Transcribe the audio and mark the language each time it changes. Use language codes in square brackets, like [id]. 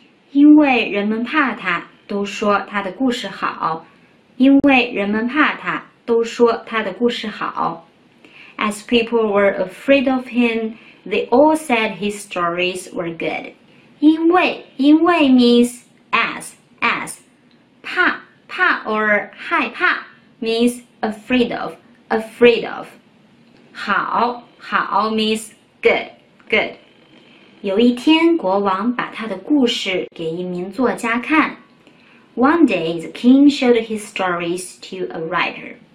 [zh] 因为人们怕他都说他的故事好。因为人们怕他，都说他的故事好。 [en] As people were afraid of him, they all said his stories were good. 因为 means as. 怕 or 害怕 means afraid of. 好 means good. [zh] 有一天，国王把他的故事给一名作家看。 [en] One day, the king showed his stories to a writer.